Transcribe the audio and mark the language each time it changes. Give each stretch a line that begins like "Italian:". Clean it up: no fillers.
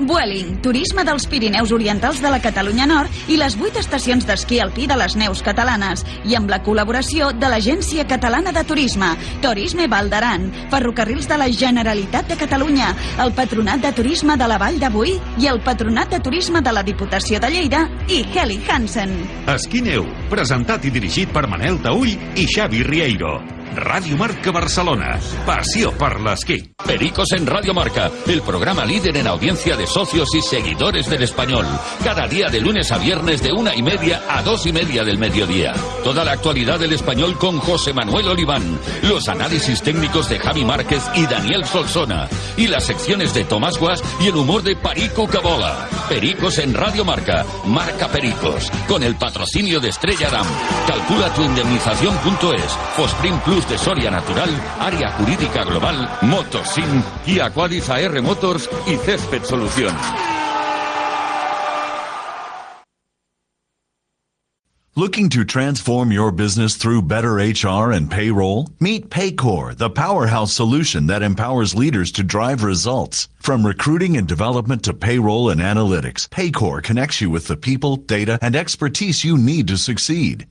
Catalan: Vueling, turisme dels Pirineus Orientals de la Catalunya Nord i les 8 estacions d'esquí alpí de les Neus Catalanes, i amb la col·laboració de l'Agència Catalana de Turisme, Turisme Val d'Aran, Ferrocarrils de la Generalitat de Catalunya, el Patronat de Turisme de la Vall de Boí i el Patronat de Turisme de la Diputació de Lleida i Heli Hansen. Esquineu, presentat i dirigit per Manel Taüll i Xavi Rieiro. Ràdio Marca Barcelona, passió per l'esquí.
Spanish: Pericos en Ràdio Marca, el programa líder en audiencia de socios y seguidores del español. Cada día de lunes a viernes de 1:30 a 2:30 del mediodía. Toda la actualidad del español con José Manuel Oliván, los análisis técnicos de Javi Márquez y Daniel Solsona, y las secciones de Tomás Guas y el humor de Perico Cabola. Pericos en Ràdio Marca, marca Pericos, con el patrocinio de Estrella Damm, calcula tu indemnización.es, Fosprim Plus de Soria Natural, Área Jurídica Global, Motosim y Aquadis AR Motors y Césped Solución.
English: Looking to transform your business through better HR and payroll? Meet Paycor, the powerhouse solution that empowers leaders to drive results. From recruiting and development to payroll and analytics, Paycor connects you with the people, data, and expertise you need to succeed.